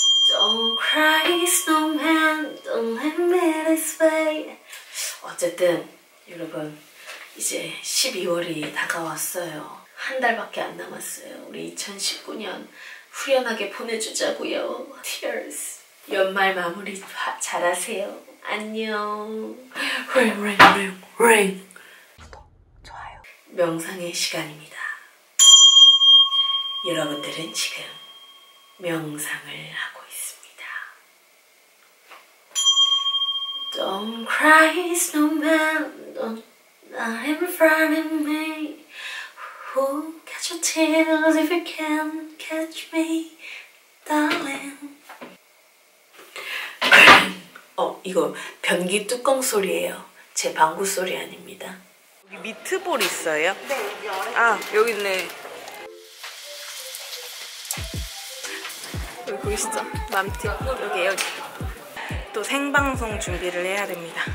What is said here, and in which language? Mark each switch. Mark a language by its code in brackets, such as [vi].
[en] Don't cry, snowman, don't let me this way. [ko] 어쨌든 여러분, 이제 12월이 다가왔어요. 한 달밖에 안 남았어요. 우리 2019년 후련하게 보내주자고요. Tears. 연말 마무리 잘하세요. [en] 안녕. Ring, ring, ring, ring. [ko] 구독, 좋아요. 명상의 시간입니다. 여러분들은 지금 명상을 하고 [en] Don't cry, snowman, not in front of me. Ooh, catch your tears if you can catch me, darling. [ko] 이거 변기 뚜껑 소리예요. 제 방구 소리 아닙니다. 여기 미트볼 있어요? 네, 여기. 아, 여기 있네. 여기 보이시죠? 맘틱 여기 여기 또 생방송 준비를 해야 됩니다.